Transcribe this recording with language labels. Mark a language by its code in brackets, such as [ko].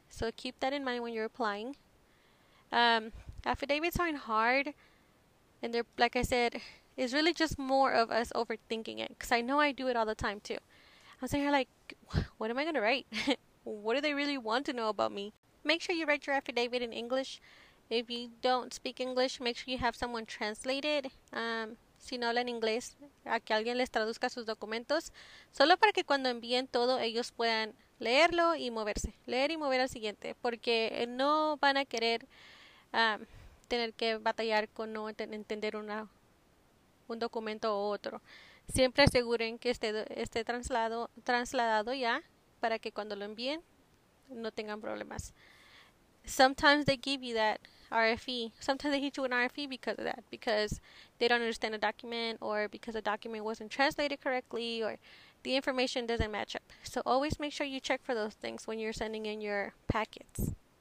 [en] So keep that in mind when you're applying. Affidavits aren't hard, and they're, like I said, it's really just more of us overthinking it, because I know I do it all the time too. I'm sitting here like, what am I going to write? What do they really want to know about me? Make sure you write your affidavit in English. If you don't speak English, make sure you have someone translate it. [es] Si no hablan inglés, a que alguien les traduzca sus documentos, solo para que cuando envíen todo ellos puedan leerlo y moverse. Leer y mover al siguiente, porque no van a querer tener que batallar con no entender un documento u otro. Siempre aseguren que esté trasladado ya para que cuando lo envíen no tengan problemas. [en] Sometimes they give you that RFE. Sometimes they hit you with an RFE because of that, because they don't understand a document or because the document wasn't translated correctly or the information doesn't match up. So always make sure you check for those things when you're sending in your packets.